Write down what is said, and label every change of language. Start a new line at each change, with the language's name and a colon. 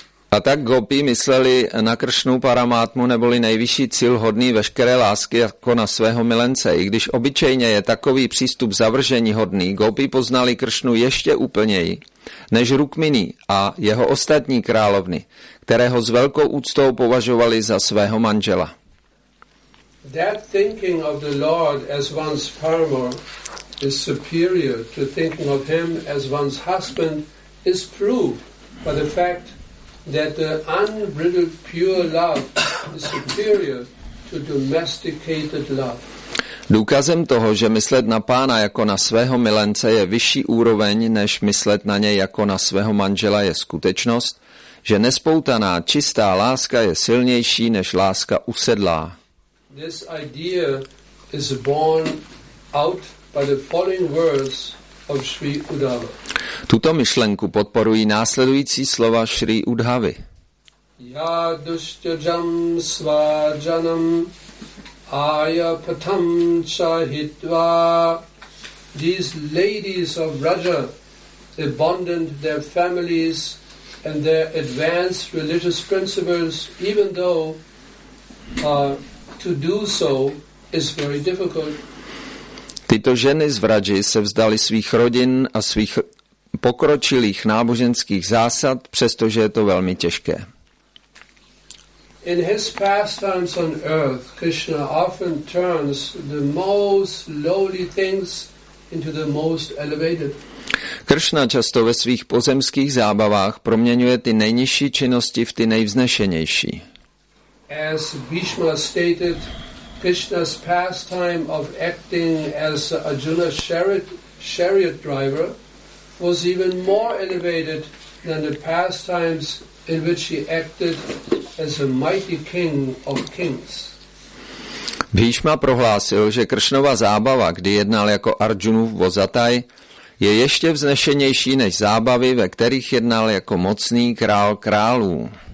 Czech: A tak gopi mysleli na Kršnu Paramátmu neboli nejvyšší cíl hodný veškeré lásky jako na svého milence. I když obyčejně je takový přístup zavržení hodný, gopi poznali Kršnu ještě úplněji než Rukmini a jeho ostatní královny, kterého s velkou úctou považovali za svého manžela.
English: That thinking of the Lord as one's paramour is superior to thinking of him as one's husband is proved by the fact that the unbridled pure love is superior to domesticated love.
Czech: Důkazem toho, že myslet na pána jako na svého milence je vyšší úroveň než myslet na něj jako na svého manžela, je skutečnost, že nespoutaná čistá láska je silnější než láska usedlá.
English: This idea is born out by the following words of Sri Uddhava.
Czech: Tuto myšlenku podporují následující slova Sri Uddhavy.
Sanskrit: Ya dushtyajam svajanam ayapatam chahitva.
English: These ladies of Raja abandoned their families and their advanced religious principles, even though to do so is very difficult.
Czech: Tyto ženy z Vraji se vzdaly svých rodin a svých pokročilých náboženských zásad, přestože je to velmi těžké.
English: In his pastimes on earth, Krishna often turns the most lowly things into the most elevated.
Czech: Krishna často ve svých pozemských zábavách proměňuje ty nejnižší činnosti v ty nejvznešenější.
English: As Bhishma stated, Krishna's pastime of acting as Arjuna's chariot driver was even more elevated than the pastimes in which he acted as a mighty king of kings.
Czech: Bhishma prohlásil, že Kršnova zábava, kdy jednal jako Arjunův vozataj, je ještě vznešenější než zábavy, ve kterých jednal jako mocný král králů.